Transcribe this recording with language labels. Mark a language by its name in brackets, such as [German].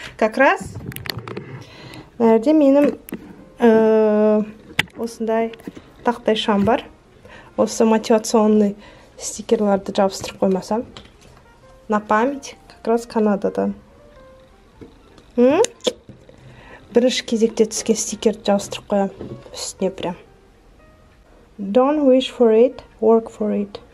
[Russian] Как раз, наверное, [Kazakh] менің осындай тақтай шам бар. Осы мотивационный стикерларды жабыстырып қоймасам. [Russian] На память, как раз Канададан. [Kazakh] Бірінші кезекте түскен стикерді жабыстырып қоям. Үстіне прям. [English] Don't wish for it, work for it.